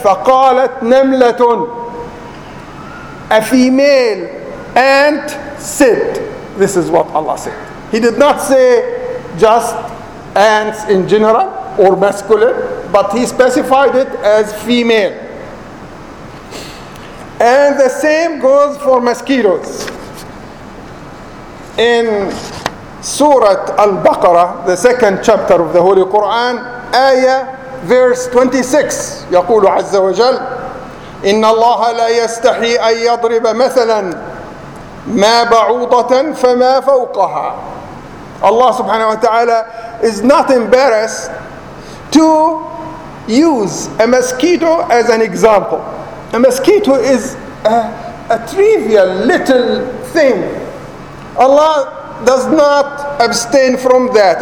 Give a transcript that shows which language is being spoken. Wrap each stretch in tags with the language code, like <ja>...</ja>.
<ar>فَقَالَتْ نَمْلَةٌ.</ar> <en>A female ant said. This is what Allah said. He did not say just ants in general or masculine, but he specified it as female. And the same goes for mosquitoes. In Surah Al-Baqarah, the second chapter of the Holy Quran, ayah verse 26,</en> <ar>يقول عز وجل إن الله لا يستحي أن يضرب مثلا ما بعوضة فما فوقها.</ar> <en>Allah subhanahu wa ta'ala is not embarrassed to use a mosquito as an example. A mosquito is a trivial little thing. Allah does not abstain from that.</en>